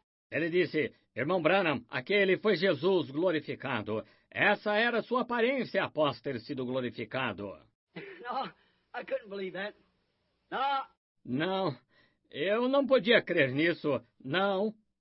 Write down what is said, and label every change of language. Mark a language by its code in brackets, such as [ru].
[pt] Ele disse, irmão Branham, aquele foi Jesus glorificado. Essa era sua aparência após ter sido glorificado. [en] No, I couldn't believe that. [pt] Não, eu não podia crer nisso, não.